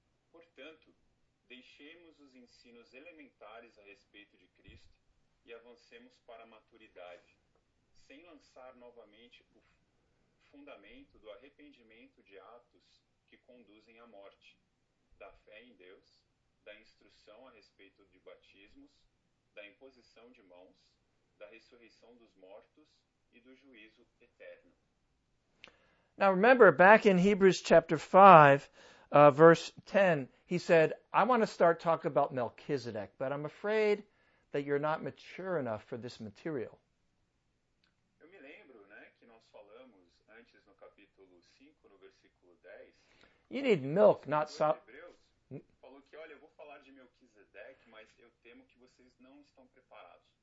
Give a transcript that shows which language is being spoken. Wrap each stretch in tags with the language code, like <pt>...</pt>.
<pt>Portanto, deixemos os ensinos elementares a respeito de Cristo e avancemos para a maturidade, sem lançar novamente o fundamento do arrependimento de atos que conduzem à morte, da fé em Deus, da instrução a respeito de batismos, da imposição de mãos, da ressurreição dos mortos e do juízo eterno.</pt> <en>Now remember, back in Hebrews chapter 5, verse 10, he said, I want to start talking about Melchizedek, but I'm afraid that you're not mature enough for this material.</en> <pt>Eu me lembro, né, que nós falamos antes no capítulo 5, no versículo 10.</pt> <en>You need milk, not</en> <pt>Hebreus falou que, olha, eu vou falar de Melquisedec, mas eu temo que vocês não estão preparados.</pt>